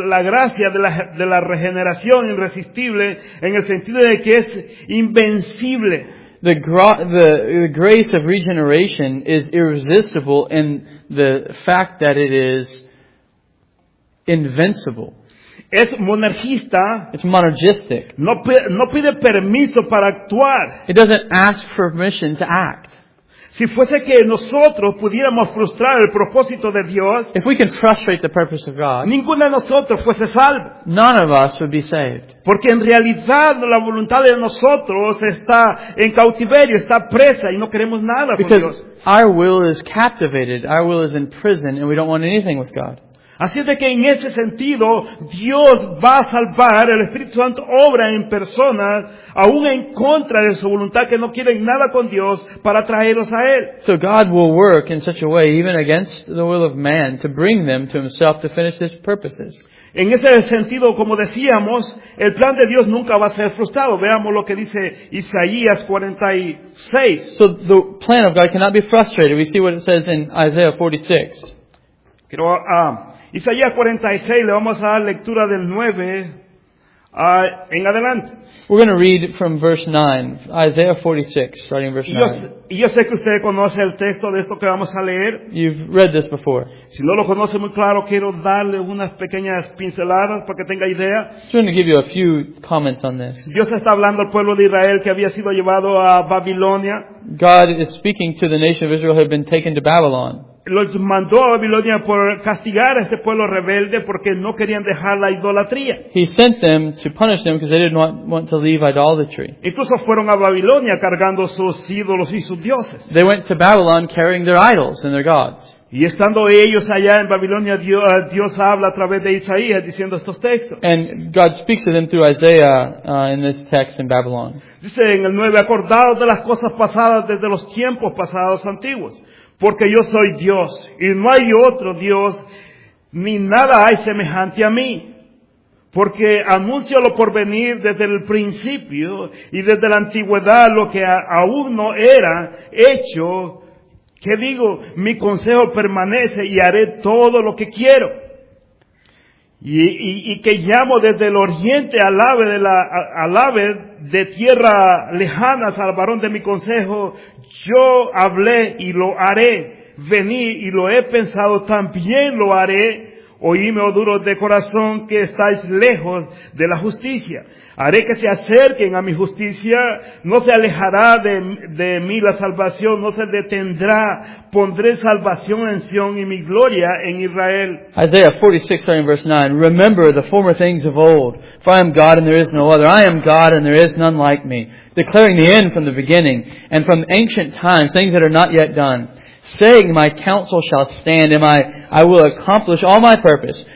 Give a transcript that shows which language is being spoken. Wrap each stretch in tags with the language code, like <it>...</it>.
<es>La gracia de la regeneración irresistible en el sentido de que es invencible.</es> <en>The grace of regeneration is irresistible in the fact that it is invincible.</en> <es>Es monergista.</es> <en>It's monergistic.</en> <es>No pide permiso para actuar.</es> <en>It doesn't ask permission to act.</en> <es>Si fuese que nosotros pudiéramos frustrar el propósito de Dios,</es> <en>if we can frustrate the purpose of God,</en> <es>ninguno de nosotros fuese salvo.</es> <en>None of us would be saved.</en> <es>Porque en realidad la voluntad de nosotros está en cautiverio, está presa y no queremos nada con</es> <en>Because</en> <es>Dios.</es> <en>Our will is captivated, our will is in prison and we don't want anything with God.</en> <es>Así es de que en ese sentido, Dios va a salvar, el Espíritu Santo obra en personas, aún en contra de su voluntad, que no quieren nada con Dios, para traerlos a Él.</es> <en>So God will work in such a way, even against the will of man, to bring them to Himself to finish His purposes.</en> <es>En ese sentido, como decíamos, el plan de Dios nunca va a ser frustrado. Veamos lo que dice Isaías 46.</es> <en>So the plan of God cannot be frustrated. We see what it says in Isaiah 46.</en> <es>Quiero Isaías 46, le vamos a dar lectura del 9 en adelante.</es> <en>We're going to read from verse 9, Isaiah 46, starting verse 9.</en> <es>Yo sé que usted conoce el texto de esto que vamos a leer.</es> <en>You've read this before.</en> <es>Si no lo conoce muy claro, quiero darle unas pequeñas pinceladas para que tenga idea.</es> <en>I'm going to give you a few comments on this.</en> <es>Dios está hablando al pueblo de Israel que había sido llevado a Babilonia.</es> <en>God is speaking to the nation of Israel who had been taken to Babylon.</en> <es>Los mandó a Babilonia por castigar a este pueblo rebelde porque no querían dejar la idolatría.</es> <en>He sent them to punish them because they did not want to leave idolatry.</en> <es>Incluso fueron a Babilonia cargando sus ídolos y sus dioses.</es> <en>They went to Babylon carrying their idols and their gods.</en> <es>Y estando ellos allá en Babilonia, Dios habla a través de Isaías diciendo estos textos.</es> <en>And God speaks to them through Isaiah in this text in Babylon.</en> <es>Dice en el 9, acordados de las cosas pasadas desde los tiempos pasados antiguos, porque yo soy Dios y no hay otro Dios ni nada hay semejante a mí. Porque anuncio lo por venir desde el principio y desde la antigüedad lo que aún no era hecho. ¿Qué digo? Mi consejo permanece y haré todo lo que quiero. Y que llamo desde el oriente al ave de tierra lejana al varón de mi consejo. Yo hablé y lo haré. Vení y lo he pensado, también lo haré. Oíme, oh duros de corazón, que estáis lejos de la justicia. Haré que se acerquen a mi justicia, no se alejará de mí la salvación, no se detendrá. Pondré salvación en Sion y mi gloria en Israel.</es> <en>Isaiah 46, starting verse 9. Remember the former things of old. For I am God and there is no other. I am God and there is none like me. Declaring the end from the beginning and from ancient times, things that are not yet done. Saying, my counsel shall stand, and I will accomplish all my purpose.</en>